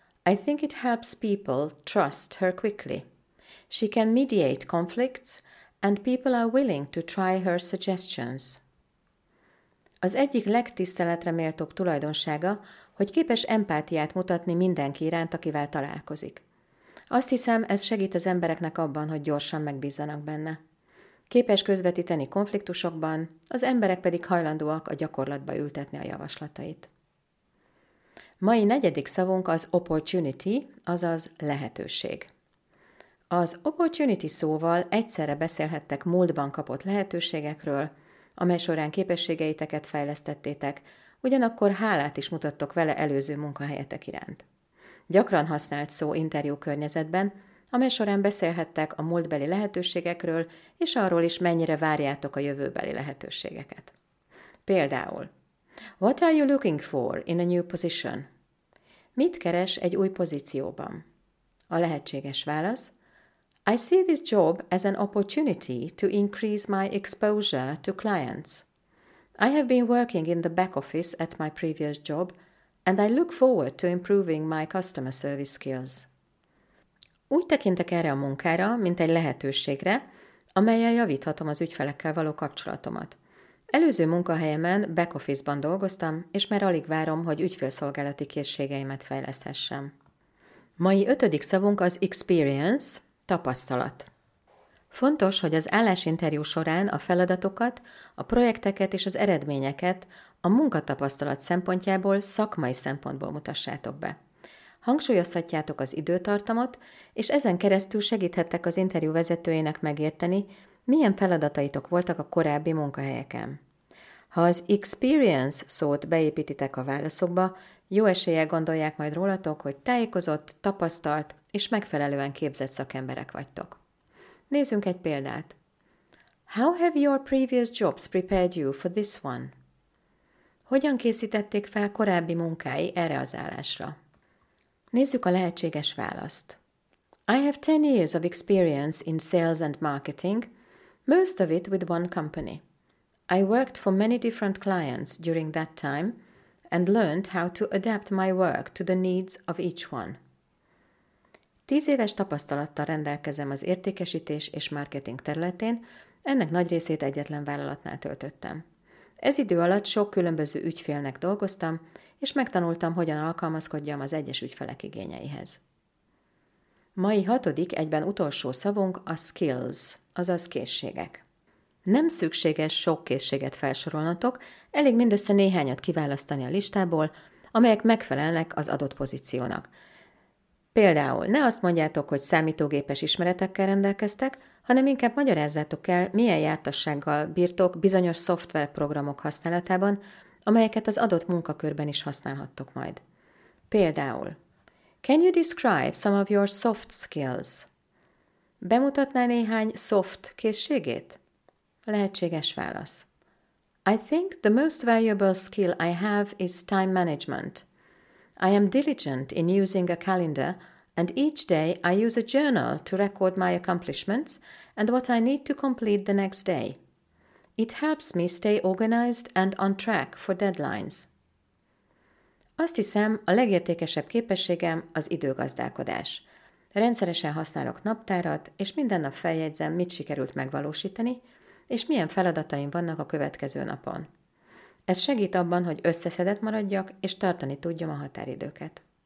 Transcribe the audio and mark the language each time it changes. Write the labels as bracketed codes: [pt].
[en] I think it helps people trust her quickly. She can mediate conflicts, and people are willing to try her suggestions. [hu] Az egyik legtiszteletre méltóbb tulajdonsága, hogy képes empátiát mutatni mindenki iránt, akivel találkozik. Azt hiszem, ez segít az embereknek abban, hogy gyorsan megbízzanak benne. Képes közvetíteni konfliktusokban, az emberek pedig hajlandóak a gyakorlatba ültetni a javaslatait. Mai negyedik szavunk az opportunity, azaz lehetőség. Az opportunity szóval egyszerre beszélhettek múltban kapott lehetőségekről, amely során képességeiteket fejlesztettétek, ugyanakkor hálát is mutattok vele előző munkahelyetek iránt. Gyakran használt szó interjú környezetben, amely során beszélhettek a múltbeli lehetőségekről, és arról is, mennyire várjátok a jövőbeli lehetőségeket. Például, [en] what are you looking for in a new position? [hu] Mit keres egy új pozícióban? A lehetséges válasz, [en] I see this job as an opportunity to increase my exposure to clients. I have been working in the back office at my previous job, and I look forward to improving my customer service skills. [hu] Úgy tekintek erre a munkára, mint egy lehetőségre, amellyel javíthatom az ügyfelekkel való kapcsolatomat. Előző munkahelyemen back office-ban dolgoztam, és már alig várom, hogy ügyfélszolgálati készségeimet fejleszthessem. Mai ötödik szavunk az experience, tapasztalat. Fontos, hogy az állásinterjú során a feladatokat, a projekteket és az eredményeket a munkatapasztalat szempontjából, szakmai szempontból mutassátok be. Hangsúlyozhatjátok az időtartamot, és ezen keresztül segíthettek az interjú vezetőjének megérteni, milyen feladataitok voltak a korábbi munkahelyeken. Ha az experience szót beépítitek a válaszokba, jó eséllyel gondolják majd rólatok, hogy tájékozott, tapasztalt és megfelelően képzett szakemberek vagytok. Nézzünk egy példát. [en] How have your previous jobs prepared you for this one? [hu] Hogyan készítették fel korábbi munkái erre az állásra? Nézzük a lehetséges választ. [en] I have 10 years of experience in sales and marketing, most of it with one company. I worked for many different clients during that time and learned how to adapt my work to the needs of each one. [hu] 10 éves tapasztalattal rendelkezem az értékesítés és marketing területén, ennek nagy részét egyetlen vállalatnál töltöttem. Ez idő alatt sok különböző ügyfélnek dolgoztam, és megtanultam, hogyan alkalmazkodjam az egyes ügyfelek igényeihez. Mai hatodik, egyben utolsó szavunk a skills, azaz készségek. Nem szükséges sok készséget felsorolnotok, elég mindössze néhányat kiválasztani a listából, amelyek megfelelnek az adott pozíciónak. Például ne azt mondjátok, hogy számítógépes ismeretekkel rendelkeztek, hanem inkább magyarázzátok el, milyen jártassággal bírtok bizonyos szoftverprogramok használatában, amelyeket az adott munkakörben is használhattok majd. Például, [en] can you describe some of your soft skills? [hu] Bemutatnál néhány soft készségét? Lehetséges válasz. [en] I think the most valuable skill I have is time management. I am diligent in using a calendar, and each day I use a journal to record my accomplishments and what I need to complete the next day. It helps me stay organized and on track for deadlines. [hu] Azt hiszem, a legértékesebb képességem az időgazdálkodás. Rendszeresen használok naptárat, és minden nap feljegyzem, mit sikerült megvalósítani, és milyen feladataim vannak a következő napon. Ez segít abban, hogy összeszedett maradjak, és tartani tudjam a határidőket.